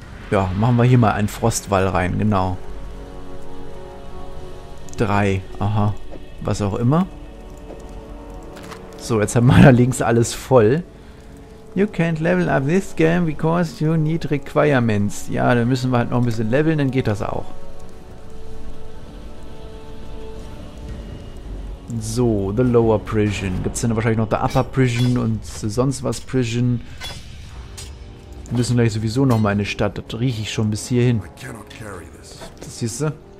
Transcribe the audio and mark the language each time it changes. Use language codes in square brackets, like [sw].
[de] Ja, machen wir hier mal einen Frostwall rein. Genau. 3. Aha. Was auch immer. So, jetzt haben wir da links alles voll. [en] You can't level up this game because you need requirements. [de] Ja, dann müssen wir halt noch ein bisschen leveln, dann geht das auch. [en] So, the lower prison. [de] Gibt es dann wahrscheinlich noch [en] the upper prison [de] und sonst was prison. Wir müssen gleich sowieso noch mal in die Stadt. Das rieche ich schon bis hierhin. Das siehst du?